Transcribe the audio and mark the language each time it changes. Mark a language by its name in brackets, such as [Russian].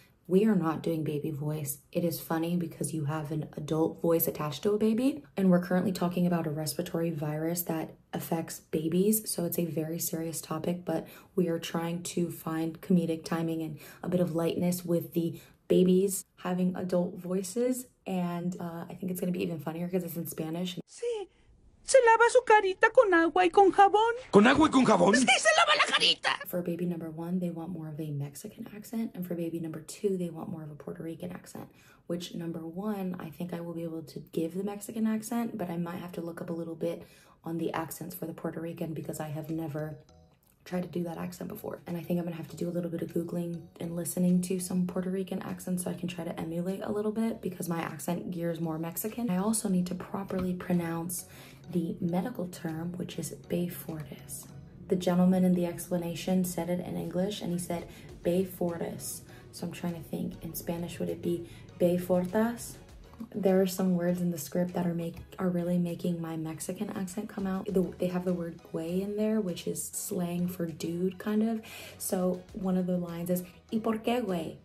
[English] We are not doing baby voice. It is funny because you have an adult voice attached to a baby, and we're currently talking about a respiratory virus that affects babies, so it's a very serious topic, but we are trying to find comedic timing and a bit of lightness with the babies having adult voices, and I think it's gonna be even funnier because it's in Spanish. [Spanish] Sí, se lava su carita con agua y con jabón. Con agua y con jabón. Sí, se lava la carita. [English] For baby number one, they want more of a Mexican accent, and for baby number two, they want more of a Puerto Rican accent. Which number one, I think I will be able to give the Mexican accent, but I might have to look up a little bit on the accents for the Puerto Rican because I have never tried to do that accent before. And I think I'm gonna have to do a little bit of Googling and listening to some Puerto Rican accents so I can try to emulate a little bit, because my accent gears more Mexican. I also need to properly pronounce the medical term, which is Beyfortus. The gentleman in the explanation said it in English and he said Beyfortus. So I'm trying to think in Spanish, would it be Beyfortas? There are some words in the script that are really making my Mexican accent come out. They have the word güey in there, which is slang for dude, kind of. So one of the lines is, [Spanish] ¿y por qué güey?